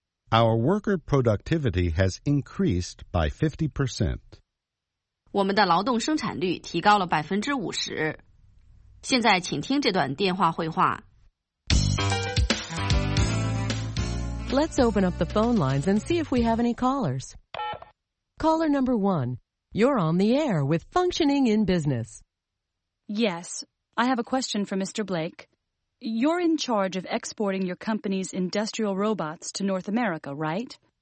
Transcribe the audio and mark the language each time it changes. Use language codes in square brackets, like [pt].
[en] Our worker productivity has increased by 50%. [zh] 我们的劳动生产率提高了 50%. 现在请听这段电话会话 [en] Let's open up the phone lines and see if we have any callers. Caller number one, you're on the air with Functioning in Business. Yes. I have a question for Mr. Blake. You're in charge of exporting your company's industrial robots to North America, right?